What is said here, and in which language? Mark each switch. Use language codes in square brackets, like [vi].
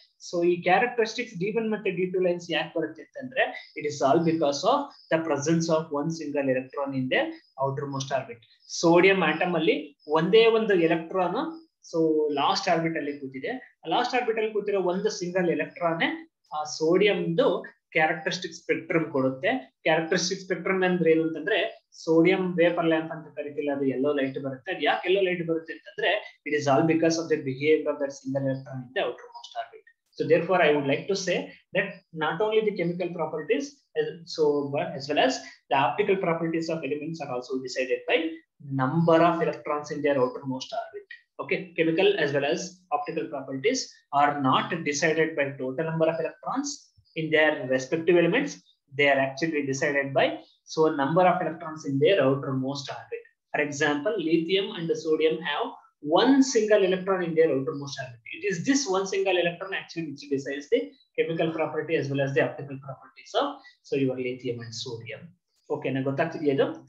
[kn] So ee characteristics D1 matte D2 lines yak barutte antandre, [en] it is all because of the presence of one single electron in the outermost orbit. [kn] Sodium atom alli onde ondu electron so last orbital alli kutide, last orbital alli kutire ondu single electron aa sodium do characteristic spectrum ಕೊಡುತ್ತೆ. Characteristic spectrum ಅಂದ್ರೆ ಏನು ಅಂತಂದ್ರೆ, sodium vapour lamp ಅಂತ ಕರಿತೀವಿ, ಅದು ಎಲ್ಲೋ light ಬರುತ್ತೆ. ಅದು ಯಾಕೆ ಎಲ್ಲೋ ಲೈಟ್ ಬರುತ್ತೆ ಅಂತಂದ್ರೆ, [en] It is all because of the behaviour of that single electron in the outermost orbit. So therefore I would like to say that not only the chemical properties so as well as the optical properties of elements are also decided by number of electrons in their outermost orbit. Okay, chemical as well as optical properties are not decided by total number of electrons in their respective elements, they are actually decided by so number of electrons in their outermost orbit. For example, lithium and sodium have one single electron in their outermost orbit. It is this one single electron actually which decides the chemical property as well as the optical properties of so your lithium and sodium. Okay, [kn] na gotagtidiya idu.